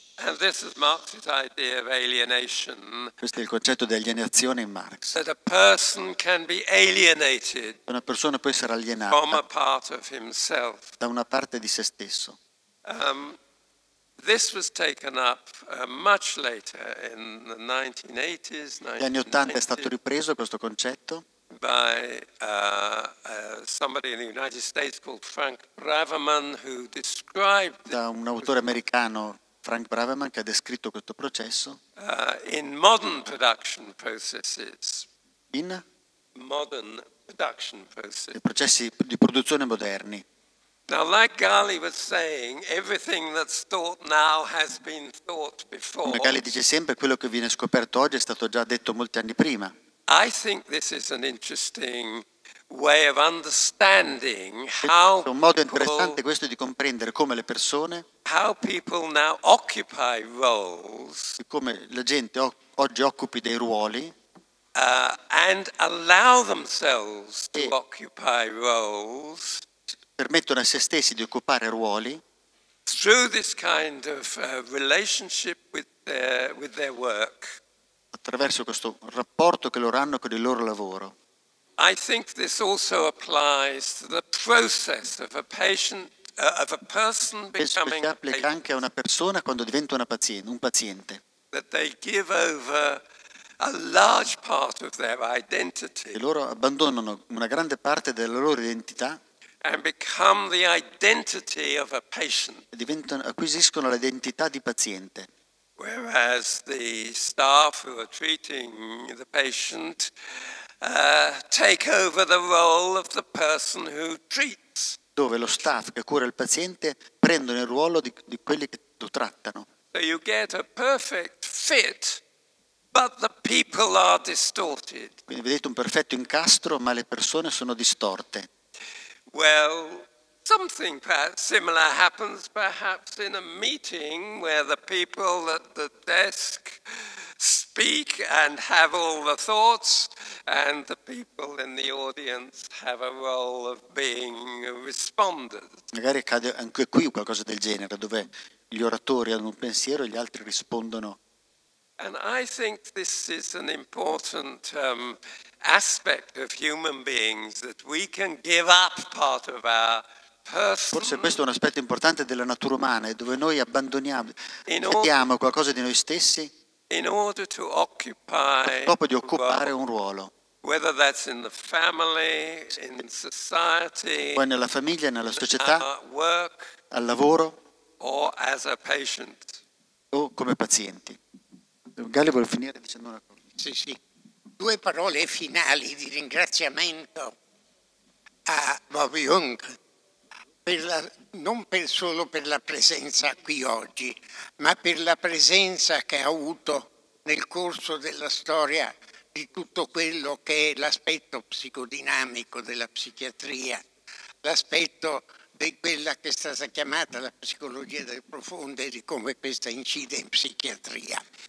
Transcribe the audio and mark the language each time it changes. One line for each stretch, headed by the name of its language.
English: And this is Marx's idea of alienation.
Italian: Questo è il concetto di alienazione in Marx.
English: That a person can be alienated.
Italian: Una persona può essere alienata
English: from a part of himself.
Italian: Da una parte di se stesso.
English: This was taken up much later in the 1980s.
Italian: Negli anni 80 è stato ripreso questo concetto.
English: By somebody in the United States called Frank Braverman, who described.
Italian: Da un autore americano. Frank Braverman, che ha descritto questo processo
English: in modern production processes. In modern production processes.
Italian: I processi di produzione moderni.
English: Now, like Galli was saying, everything that's thought now has been thought before.
Italian: Galli dice sempre, quello che viene scoperto oggi è stato già detto molti anni prima.
English: I think this is an interesting way of understanding how
Italian: un modo interessante questo di comprendere come le persone
English: how people now occupy roles
Italian: come la gente oggi occupi dei ruoli
English: and allow themselves to occupy roles
Italian: permettono a se stessi di occupare ruoli
English: through this kind of relationship with their work
Italian: attraverso questo rapporto che loro hanno con il loro lavoro.
English: I think this also applies to the process of a patient of a person becoming.
Italian: Si applica anche a una persona quando diventa una paziente, un paziente.
English: That they give over a large part of their identity.
Italian: E loro abbandonano una grande parte della loro identità.
English: And become the identity of a patient.
Italian: Diventano, acquisiscono l'identità di paziente.
English: Whereas the staff who are treating the patient take over the role of the person who treats.
Italian: Dove lo staff che cura il paziente prendono il ruolo di quelli che lo trattano.
English: So you get a perfect fit, but the people are distorted.
Italian: Quindi vedete un perfetto incastro, ma le persone sono distorte.
English: Well, something similar happens perhaps in a meeting where the people at the desk speak and have all the thoughts and the people in the audience have a role of being responders.
Italian: Magari accade anche qui qualcosa del genere dove gli oratori hanno un pensiero e gli altri rispondono.
English: And I think this is an important aspect of human beings that we can give up part of our person.
Italian: Forse questo è un aspetto importante della natura umana dove noi accettiamo qualcosa di noi stessi.
English: In order to occupy
Italian: scopo di occupare un ruolo,
English: whether that's in the family, in society,
Italian: poi nella famiglia, nella società,
English: work,
Italian: al lavoro,
English: or as a patient.
Italian: O come pazienti. Galli vuole finire dicendo una cosa. Sì, sì. Due parole finali di ringraziamento a Bob Jung, non solo per la presenza qui oggi, ma per la presenza che ha avuto nel corso della storia di tutto quello che è l'aspetto psicodinamico della psichiatria, l'aspetto di quella che è stata chiamata la psicologia del profondo e di come questa incide in psichiatria.